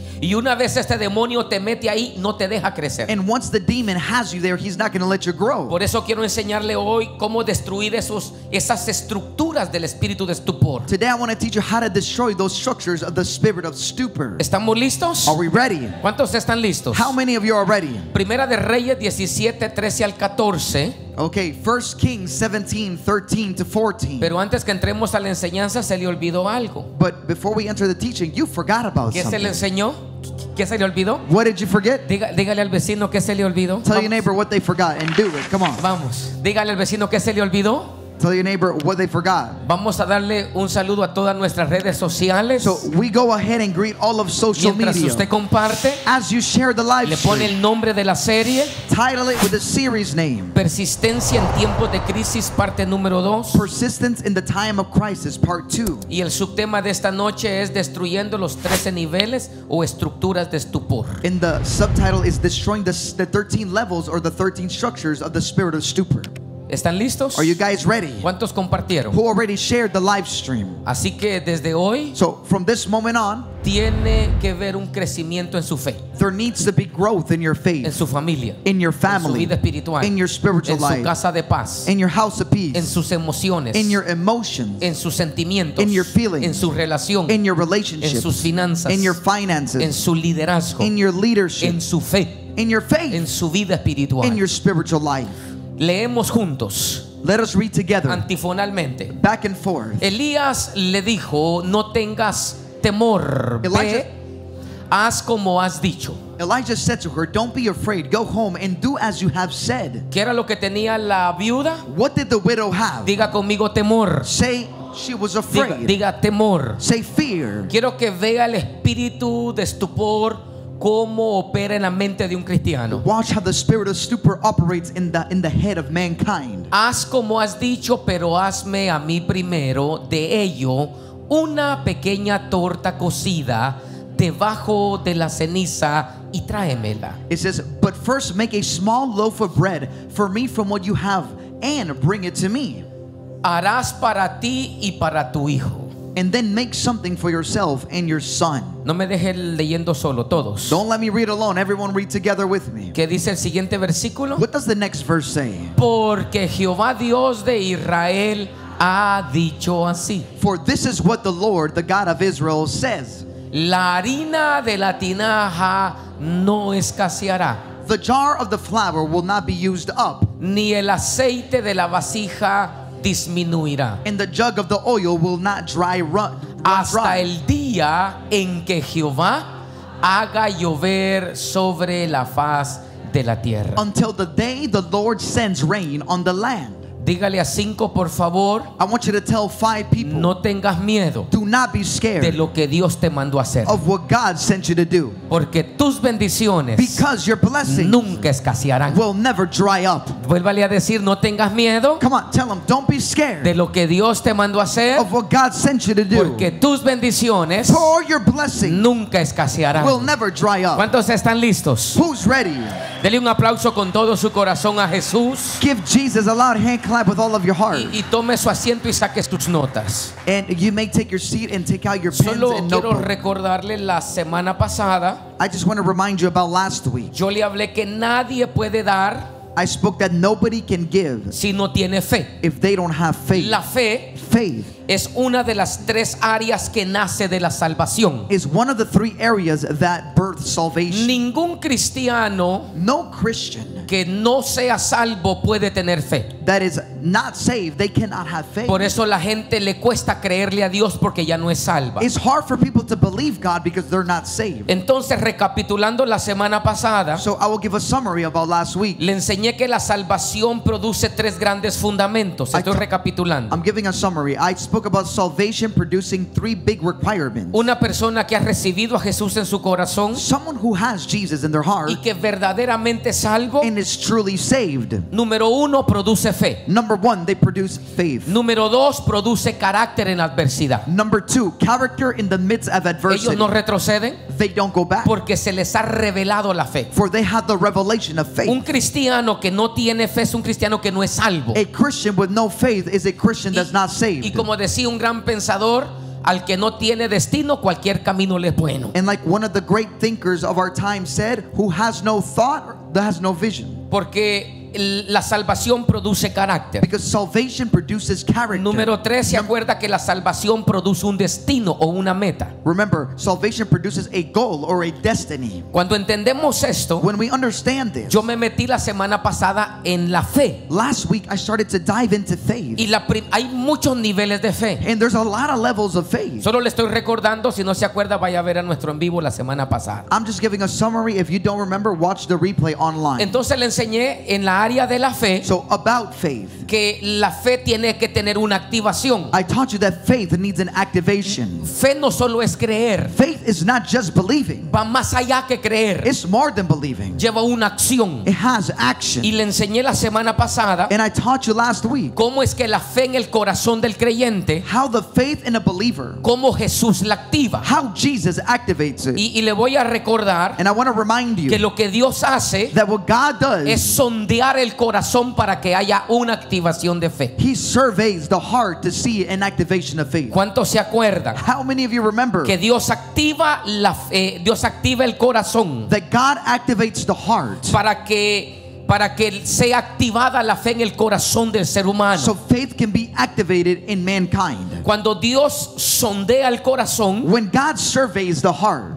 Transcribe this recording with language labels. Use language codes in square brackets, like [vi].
[es] Y una vez este demonio te mete ahí, no te deja crecer. [en] And once the demon has you there, he's not going to let you grow. [es] Por eso quiero enseñarle hoy cómo destruir esas estructuras del espíritu de estupor. [en] Today I want to teach you how to destroy those structures of the spirit of stupor. [es] ¿Estamos listos? [en] Are we ready? [es] ¿Cuántos están listos? [en] How many of you are ready? [es] Primera de Reyes 17:13-14. [en] Okay, 1 Kings 17:13-14. [es] Pero antes que entremos a la enseñanza, se le olvidó algo. [en] But before we enter the teaching, you forgot about [es] ¿qué [en] something. [es] ¿Qué se le enseñó? ¿Qué se le olvidó? [en] What did you forget? [es] Dígale al vecino qué se le olvidó. [en] Tell [es] Vamos. [en] Your neighbor what they forgot and do it. Come on. [es] Vamos. Dígale al vecino qué se le olvidó. [en] Tell your neighbor what they forgot. [es] Vamos a darle un saludo a todas nuestras redes sociales. [en] So we go ahead and greet all of social [es] media. Mientras usted comparte, [en] as you share the live stream, [es] le pone el nombre de la serie, [en] title it with the series name. [es] Persistencia en tiempos de crisis, parte número 2. [en] Persistence in the time of crisis, part 2. [es] Y el subtema de esta noche es destruyendo los 13 niveles o estructuras de estupor. [en] And the subtitle is destroying the 13 levels or the 13 structures of the spirit of stupor. [es] ¿Están listos? [en] Are you guys ready? [es] ¿Cuántos compartieron? [en] Who already shared the live stream? [es] Así que desde hoy, [en] so from this moment on, [es] tiene que ver un crecimiento en su fe. [en] There needs to be growth in your faith. [es] En su familia. [en] In your family. [es] En su vida espiritual. [en] In your spiritual [es] en [en] life. [es] En su casa de paz. [en] In your house of peace. [es] En sus emociones. [en] In your emotions. [es] En sus sentimientos. [en] In your feelings. [es] En su relación. [en] In your relationships. [es] En sus finanzas. [en] In your finances. [es] En su liderazgo. [en] In your leadership. [es] En su fe. [en] In your faith. [es] En su vida espiritual. [en] In your spiritual life. [es] Leemos juntos. [en] Let us read together. [es] Antifonalmente. [en] Back and forth. [es] Elías le dijo, no tengas temor. Elijah, ve, haz como has dicho. [en] Elijah said to her, don't be afraid. Go home and do as you have said. [es] ¿Qué era lo que tenía la viuda? [en] What did the widow have? [es] Diga conmigo temor. [en] Say, she was afraid. [es] Diga temor. [en] Say fear. [es] Quiero que vea el espíritu de estupor cómo opera en la mente de un cristiano. [en] Watch how the spirit of stupor operates in the head of mankind. [es] Haz como has dicho, pero hazme a mí primero de ello una pequeña torta cocida debajo de la ceniza y tráemela. [en] It says, but first make a small loaf of bread for me from what you have and bring it to me. [es] Harás para ti y para tu hijo. [en] And then make something for yourself and your son. [es] No me deje leyendo solo, todos. [en] Don't let me read alone. Everyone read together with me. [es] ¿Qué dice el siguiente versículo? [en] What does the next verse say? [es] Porque Jehová Dios de Israel ha dicho así. [en] For this is what the Lord, the God of Israel, says. [es] La harina de la tinaja no escaseará. [en] The jar of the flour will not be used up. [es] Ni el aceite de la vasija disminuirá. [en] And the jug of the oil will not dry run. [es] Hasta el día en que Jehová haga llover sobre la faz de la tierra. [en] Until the day the Lord sends rain on the land. [es] Dígale a cinco, por favor. [en] I want you to tell five people. [es] No tengas miedo. [en] Do not be scared. [es] De lo que Dios te mandó a hacer. [en] Of what God sent you to do. [es] Porque tus bendiciones. [en] Because your blessings. [es] Nunca escasearán. [en] Will never dry up. [es] Vuélvale a decir, no tengas miedo. [en] Come on, tell them, don't be scared. [es] De lo que Dios te mandó a hacer. [en] Of what God sent you to do. [es] Porque tus bendiciones. [en] For your blessings. [es] Nunca escasearán. [en] Will never dry up. [es] ¿Cuántos están listos? [en] Who's ready? [es] Dele un aplauso con todo su corazón a Jesús. [en] Give Jesus a loud hand clap with all of your heart. [es] Y tome su asiento y saque sus notas. [en] And you may take your seat and take out your pens. [es] Solo [en] and [es] quiero recordarle la semana pasada. [en] I just want to remind you about last week. [es] Yo le hablé que nadie puede dar. [en] I spoke that nobody can give. [es] Si no tiene fe. [en] If they don't have faith. [es] La fe. [en] Faith. [es] Es una de las tres áreas que nace de la salvación. [en] Is one of the three areas that birth salvation. [es] Ningún cristiano, [en] no Christian, [es] que no sea salvo puede tener fe. [en] That is not saved, they cannot have faith. [es] Por eso la gente le cuesta creerle a Dios porque ya no es salva. [en] It's hard for people to believe God because they're not saved. [es] Entonces, recapitulando la semana pasada, [en] so I will give a summary about last week. [es] Le enseñé que la salvación produce tres grandes fundamentos. Estoy recapitulando. [en] I'm giving a summary. Spoke about salvation producing three big requirements. [es] Una persona que ha recibido a Jesús en su corazón, [en] someone who has Jesus in their heart, [es] y que verdaderamente salvo, [en] and is truly saved. [es] Número uno, produce fe. [en] Number one, they produce faith. [es] Número dos, produce carácter en adversidad. [en] Number two, character in the midst of adversity. [es] Ellos no retroceden. [en] They don't go back. [es] Porque se les ha revelado la fe. [en] For they have the revelation of faith. [es] Un cristiano que no tiene fe es un cristiano que no es salvo. [en] A Christian with no faith is a Christian that's not saved. [es] Y como decía un gran pensador, al que no tiene destino, cualquier camino le es bueno. [en] And like one of the great thinkers of our time said, who has no thought, that has no vision. [es] Porque la salvación produce carácter. [en] Because salvation produces character. [es] Número tres, se acuerda que la salvación produce un destino o una meta. [en] Remember, salvation produces a goal or a destiny. [es] Cuando entendemos esto, [en] when we understand this, [es] yo me metí la semana pasada en la fe. [en] Last week I started to dive into faith. [es] Y hay muchos niveles de fe. [en] And there's a lot of levels of faith. [es] Solo le estoy recordando, si no se acuerda, vaya a ver a nuestro en vivo la semana pasada. [en] I'm just giving a summary. If you don't remember, watch the replay online. [es] Entonces le enseñé en la área de la fe, [en] so about faith, [es] que la fe tiene que tener una activación. [en] I taught you that faith needs an activation. [es] Fe no solo es creer. [en] Faith is not just believing. [es] Va más allá que creer. [en] It's more than believing. [es] Lleva una acción. [en] It has action. [es] Y le enseñé la semana pasada, [en] and I taught you last week, [es] cómo es que la fe en el corazón del creyente, [en] how the faith in a believer, [es] cómo Jesús la activa, [en] how Jesus activates it. [es] Y le voy a recordar, [en] and I want to remind you, [es] que lo que Dios hace, [en] that what God does, [es] es son el corazón para que haya una activación de fe. [en] He surveys the heart to see an activation of faith. [es] ¿Cuántos se acuerdan? [en] How many of you remember? [es] Que Dios activa la fe, Dios activa el corazón. [en] That God activates the heart. [es] Para que sea activada la fe en el corazón del ser humano. [en] So faith can be activated in mankind. [es] Cuando Dios sondea el corazón, [en] when God surveys the heart,